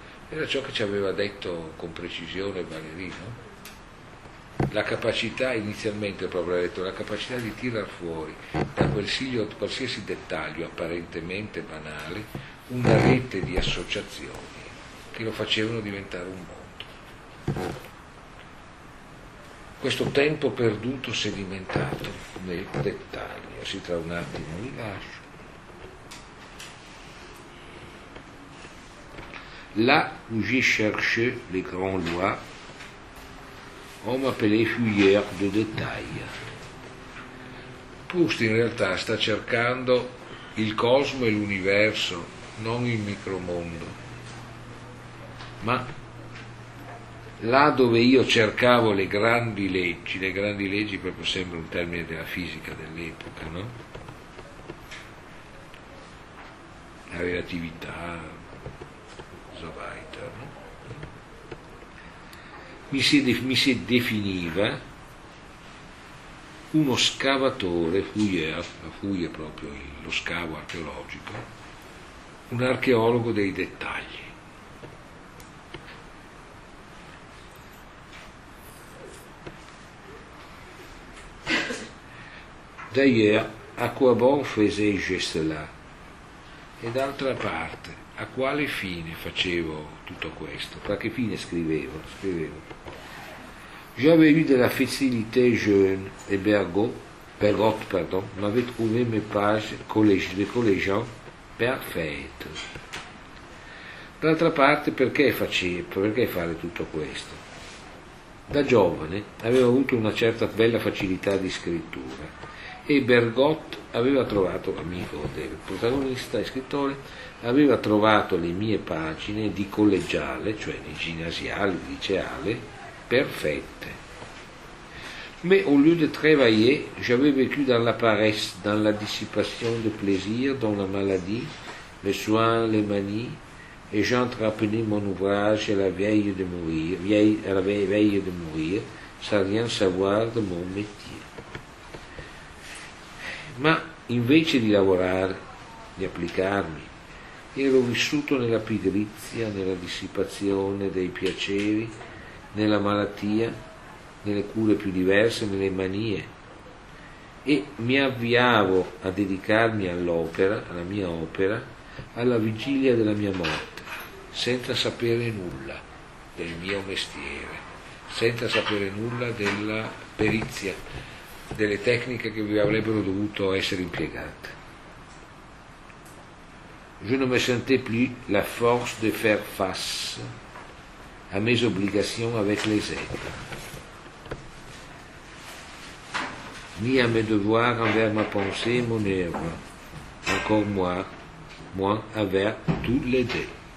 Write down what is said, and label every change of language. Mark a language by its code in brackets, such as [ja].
[it] Era ciò che ci aveva detto con precisione Valerino, la capacità, inizialmente proprio ha detto, la capacità di tirar fuori da qualsiasi dettaglio apparentemente banale una rete di associazioni che lo facevano diventare un mondo. Questo tempo perduto sedimentato nel dettaglio, si tra un attimo vi lascio. [fr] Là où j'ai cherché les grandes lois, on m'appelait fouilleur de détails. [it] Proust in realtà sta cercando il cosmo e l'universo, non il micromondo. Ma là dove io cercavo le grandi leggi proprio sembra un termine della fisica dell'epoca, no? La relatività. Mi si definiva uno scavatore, fouilleur proprio lo scavo archeologico, un archeologo dei dettagli. [fr] D'ailleurs, à quoi bon faisais-je cela? [it] E d'altra parte, a quale fine facevo tutto questo? A che fine scrivevo? [fr] J'avais eu de la facilité jeune et Bergotte, m'avait trouvé mes pages de collégiens perfettes. [it] D'altra parte, perché fare tutto questo? Da giovane avevo avuto una certa bella facilità di scrittura e Bergotte aveva trovato, amico del protagonista e scrittore, aveva trovato le mie pagine di collegiale, cioè di ginnasiale, di liceale, perfette. [fr] Mais au lieu de travailler, j'avais vécu dans la paresse, dans la dissipation de plaisir, dans la maladie, les soins, les manies, et j'entrapenais mon ouvrage à la veille de mourir, sans rien savoir de mon métier. [it] Ma invece di lavorare, di applicarmi, ero vissuto nella pigrizia, nella dissipazione dei piaceri, nella malattia, nelle cure più diverse, nelle manie, e mi avviavo a dedicarmi all'opera, alla mia opera, alla vigilia della mia morte, senza sapere nulla del mio mestiere, senza sapere nulla della perizia, delle tecniche che vi avrebbero dovuto essere impiegate. [fr] Je ne me sentais plus la force de faire face à mes obligations avec les êtres, ni à mes devoirs envers ma pensée et mon œuvre, encore moins envers tous les dés.